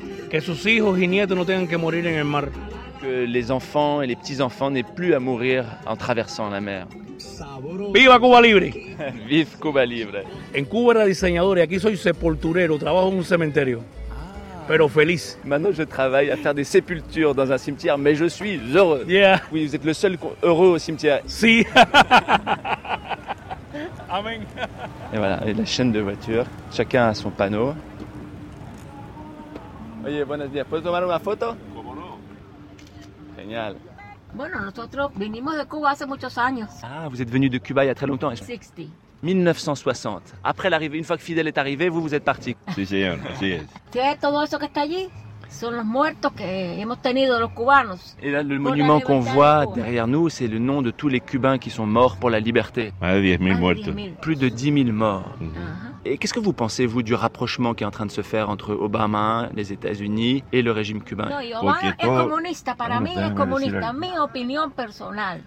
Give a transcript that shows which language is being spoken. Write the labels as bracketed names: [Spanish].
[Spanish] Que sus hijos y nietos no tengan que morir en el mar. [French] Que les enfants et les petits-enfants n'aient plus à mourir en traversant la mer. [Spanish] Viva Cuba Libre. [French] Vive Cuba Libre. [Spanish] En Cuba era diseñador y aquí soy sepulturero, trabajo en un cementerio. Pero feliz. [French] Maintenant, je travaille à faire des sépultures dans un cimetière, mais je suis heureux. [English] Yeah. [French] Oui, vous êtes le seul heureux au cimetière. [Spanish] Si. Amen. [French] Et voilà, et la chaîne de voitures. Chacun a son panneau. [Spanish] Oye, buenos días. ¿Puedo tomar una foto? ¿Cómo no? [French] Génial. [Spanish] Bueno, nosotros venimos de Cuba hace muchos años. [French] Ah, vous êtes venu de Cuba il y a très longtemps. 60. 1960. Après l'arrivée, une fois que Fidel est arrivé, vous êtes parti. [Spanish] Sí, señor. Así es. ¿Qué es todo eso que está allí? Son los muertos que hemos tenido los cubanos. [French] Et là, le monument qu'on voit derrière nous, c'est le nom de tous les Cubains qui sont morts pour la liberté. [Spanish] Más de 10.000 muertos. [French] Plus de 10.000 morts. Et qu'est-ce que vous pensez, vous, du rapprochement qui est en train de se faire entre Obama, les États-Unis et le régime cubain? [Spanish] No, Obama [French] est communiste. [Spanish] Para mí es comunista. Mi opinión personal.